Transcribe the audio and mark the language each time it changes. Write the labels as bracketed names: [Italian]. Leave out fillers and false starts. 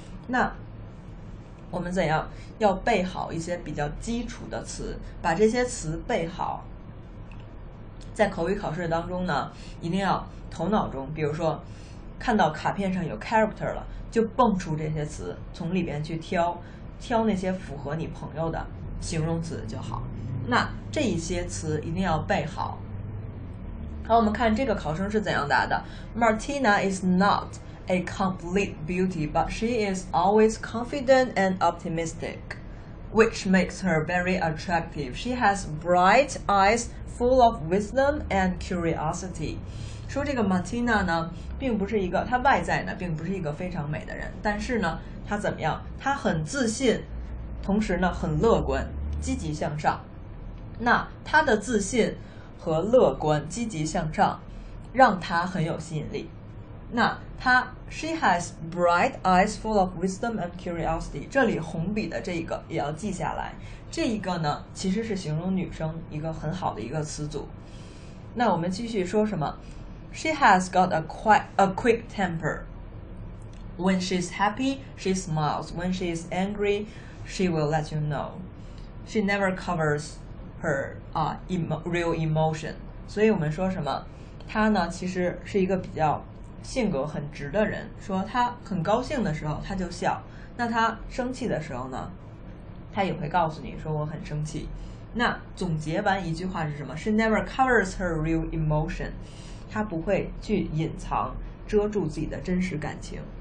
[Chinese] 那我们怎样要背好一些比较基础的词，把这些词背好，在口语考试当中呢一定要头脑中，比如说看到卡片上有 character 了，就蹦出这些词，从里边去挑挑那些符合你朋友的形容词就好。那这一些词一定要背好。好，我们看这个考生是怎样答的。 [English] Martina is not a complete beauty, but she is always confident and optimistic, which makes her very attractive. She has bright eyes full of wisdom and curiosity. [Chinese] 说这个 Martina 呢并不是一个，她外在呢并不是一个非常美的人，但是呢她怎么样，她很自信，同时呢很乐观积极向上。那她的自信和乐观积极向上让他很有吸引力。那他 [English] She has bright eyes full of wisdom and curiosity, [Chinese] 这里红笔的这个也要记下来。这一个呢其实是形容女生一个很好的一个词组。那我们继续说什么， [English] She has got a quick temper. When she's happy, she smiles. When she's angry, she will let you know. She never covers her real emotion. [Chinese] 所以我们说什么，他呢其实是一个比较性格很直的人，说他很高兴的时候他就笑，那他生气的时候呢他也会告诉你说我很生气。那总结完一句话是什么， [English] She never covers her real emotion, [Chinese] 他不会去隐藏遮住自己的真实感情。